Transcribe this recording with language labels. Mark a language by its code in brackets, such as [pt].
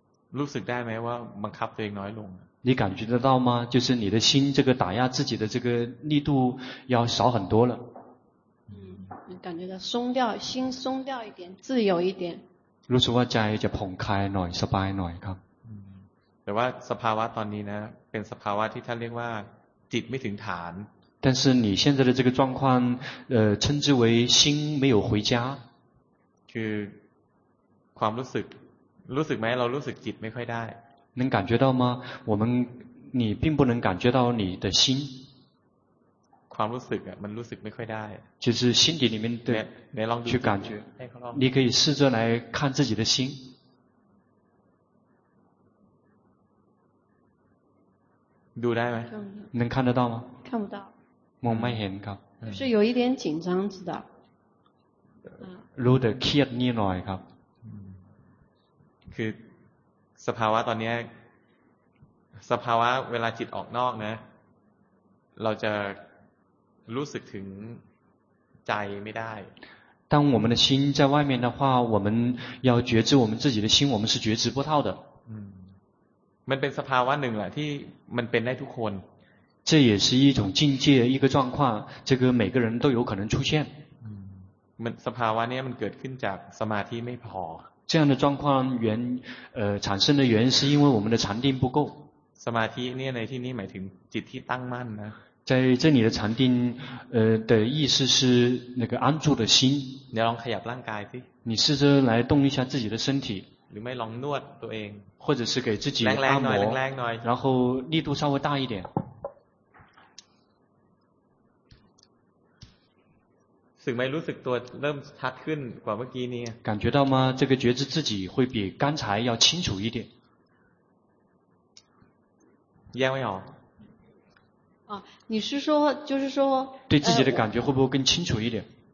[th] รู้สึกได้ไหมว่าบังคับตัวเองน้อยลง [zh] 你感觉得到吗？就是你的心这个打压自己的这个力度要少很多了。感觉到松掉，心松掉一点，自由一点。如果说 [th] ใจจะผ่อนคลายหน่อยสบายหน่อยครับ。 แต่ว่าสภาวะตอนนี้นะเป็นสภาวะที่ท่านเรียกว่าจิตไม่ถึงฐาน [zh] 但是你现在的这个状况称之为心没有回家 [th] คือความรู้สึกไหมเรารู้สึกจิตไม่ค่อยได้ [zh] 能感觉到吗我们你并不能感觉到你的心 [th] ความรู้สึกมันรู้สึกไม่ค่อยได้ [zh] 就是心底里面的你 [th] ลองดู [zh] 去感觉你可以试着来看自己的心 [th] ดูได้ไ [zh] หม能看得到吗看不到 [th] มองไม่เห็นครับ [zh] 就是有一点紧张知道 [th] รู้แต่เครียดนิดหน่อยครับ คือสภาวะตอนนี้สภาวะเวลาจิตออกนอกนะเราจะรู้สึกถึงใจไม่ได้ [zh] 当我们的心在外面的话我们要觉知我们自己的心我们是觉知不到的 [th] มันเป็นสภาวะหนึ่งแหละที่มันเป็นได้ทุกคน [zh] 这也是一种境界一个状况这个每个人都有可能出现 [th] มันสภาวะนี้มันเกิดขึ้นจากสมาธิไม่พอ [zh] 这样的状况原产生的原因是因为我们的禅定不够 [th] สมาธิเนี่ยในที่นี้หมายถึงจิตที่ตั้งมั่นนะ [zh] 在这里的禅定的意思是那个安住的心你 [th] ลองขยับร่างกายสิ [zh] 你试着来动一下自己的身体 [th] หรือไม่ลองนวดตัวเอง [zh] 或者是给自己按摩然后力度稍微大一点 [th] สึกไม่รู้สึกตัวเริ่มชัดขึ้นกว่าเมื่อกี้นี้ [zh] 感觉到吗这个觉知自己会比刚才要清楚一点 [th] แยกไม่ออก [zh] 啊你是说就是说对自己的感觉会不会更清楚一点